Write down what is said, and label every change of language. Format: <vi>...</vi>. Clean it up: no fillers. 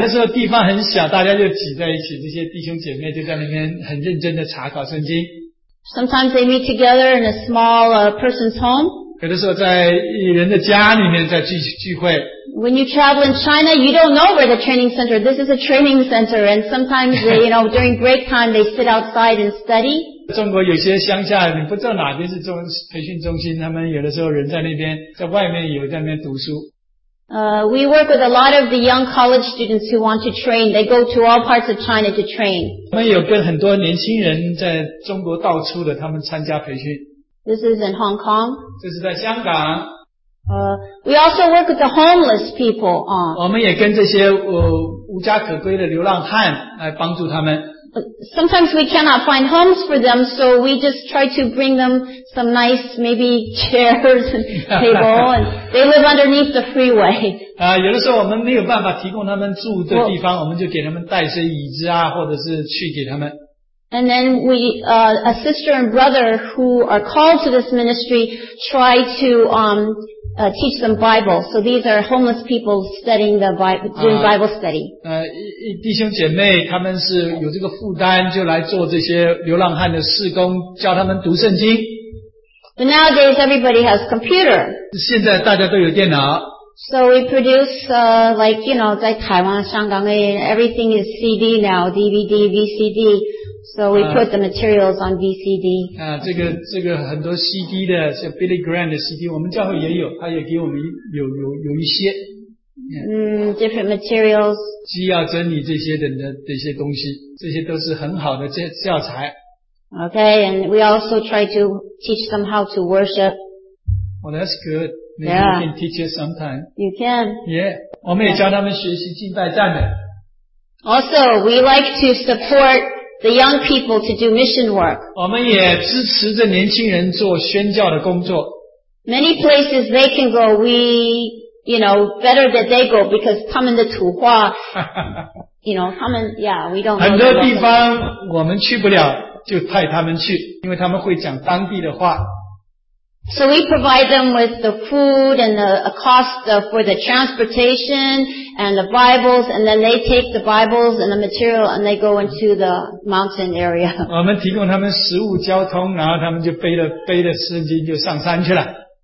<zh>有的时候地方很小，大家就挤在一起，这些弟兄姐妹就在那边很认真地查考圣经。</zh> <en>Sometimes they meet together in a small person's home.</en> <zh>有的时候在人的家里面在聚会。</zh> <en>When you travel in China, you don't know where the training center is. This is a training center, and sometimes, during break time, they sit outside and study.</en> <zh>中国有些乡下，你不知道哪边是培训中心，他们有的时候人在那边，在外面有在那边读书。</zh> <en>We work with a lot of the young college students who want to train. They go to all parts of China to train.</en> <zh>我们有跟很多年轻人在中国到处的，他们参加培训。</zh> <en>This is in Hong Kong.</en> <zh>这是在香港。</zh> <en>We also work with the homeless people.</en> <zh>我们也跟这些无家可归的流浪汉来帮助他们。</zh> <en>Sometimes we cannot find homes for them, so we just try to bring them some nice, maybe chairs and table, and they live underneath the freeway.</en> <zh>有的时候我们没有办法提供他们住的地方，我们就给他们带些椅子啊，或者是去给他们。</zh> <en>And then we, a sister and brother who are called to this ministry, try to teach them Bible. So these are homeless people studying the Bible, doing Bible study.</en> <zh>弟兄姐妹他们是有这个负担，就来做这些流浪汉的事工，教他们读圣经。</zh> <en>But nowadays everybody has computer.</en> <zh>现在大家都有电脑。</zh> <en>So we produce, like 台湾、香港 everything is CD now, DVD, VCD. So we put the materials on VCD.</en> <zh>这个很多 CD 的，像 Billy Graham 的 CD， 我们教会也有，他也给我们有一些。</zh> <en>Different materials.</en> <zh>基要真理这些等等这些东西，这些都是很好的教材。</zh> <en>Okay, and we also try to teach them how to worship. Well, that's good. Maybe yeah. You can teach it sometime. You can. Yeah.</en> <zh>我们也教他们学习敬拜赞美。</zh> <en>Also, we like to support the young people to do mission work.</en> <zh>我们也支持着年轻人做宣教的工作。</zh> <en>Many places they can go, we, you know, better that they go because</en> <zh>他们的土话</zh> <en>you know, 他们 yeah, we don't.</en> <zh>很多地方我们去不了，就派他们去，因为他们会讲当地的话。</zh> <en>So we provide them with the food and the cost for the transportation and the Bibles, and then they take the Bibles and the material and they go into the mountain area.</en> <zh>我们提供他们食物、交通，然后他们就背着圣经就上山去了。</zh>